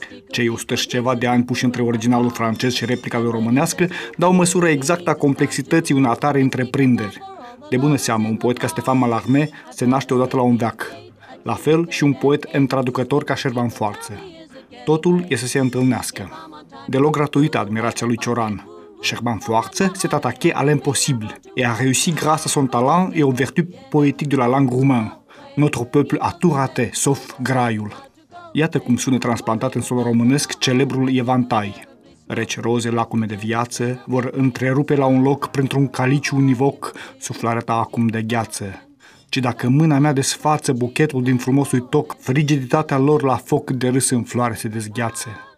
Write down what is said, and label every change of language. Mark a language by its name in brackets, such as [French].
[Romanian] Cei 100 și ceva de ani puși între originalul francez și replica lui românească dau măsură exactă a complexității unei atare întreprinderi. De bună seamă, un poet ca Stefan Mallarmé se naște odată la un veac. La fel și un poet traducător ca Șerban Foarță. Totul e să se întâlnească. Deloc gratuită admirația lui Cioran. [French] Șerban Foarță s'est attaqué à l'impossible et a réussi grâce à son talent et aux vertus poétiques de la langue roumaine. Notre peuple a tout raté, sauf graiul. [Romanian] Iată cum sună transplantat în sol românesc celebrul evantai. Reci roze, lacume de viață, vor întrerupe la un loc printr-un caliciu univoc suflarea ta acum de gheață. Ci dacă mâna mea desfață buchetul din frumosul toc, frigiditatea lor la foc de râs în floare se dezgheață.